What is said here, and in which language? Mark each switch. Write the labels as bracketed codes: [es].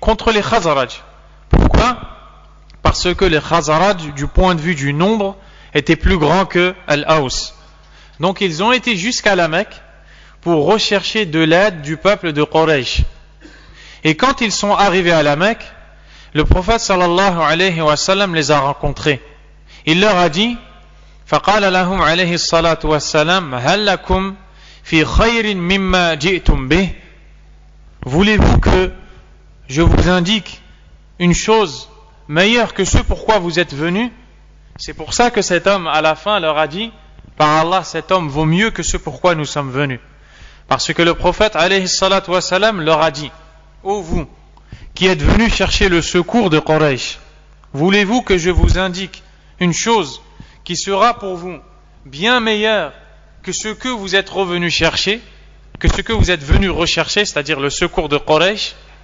[fr] Contre les Khazaraj. Pourquoi ? Parce que les Khazaraj, du point de vue du nombre, étaient plus grands que Al-Aus. Donc ils ont été jusqu'à la Mecque pour rechercher de l'aide du peuple de Quraysh. Et quand ils sont arrivés à la Mecque, le prophète sallallahu alayhi wa sallam les a rencontrés. Il leur a dit, [ar] فَقَالَ لَهُمْ عَلَيْهِ الصَّلَاةُ وَالسَّلَامُ هَلْ لَكُمْ فِي خَيْرٍ مِمَّا جِئْتُمْ بِهِ. [fr] Voulez-vous que je vous indique une chose meilleure que ce pourquoi vous êtes venu? C'est pour ça que cet homme à la fin leur a dit, par Allah, cet homme vaut mieux que ce pourquoi nous sommes venus. Parce que le prophète alayhi salat wa salam leur a dit, ô vous qui êtes venus chercher le secours de Quraysh, voulez-vous que je vous indique une chose qui sera pour vous bien meilleure que ce que vous êtes revenus chercher, que ce que vous êtes venus rechercher, c'est-à-dire le secours de Quraysh?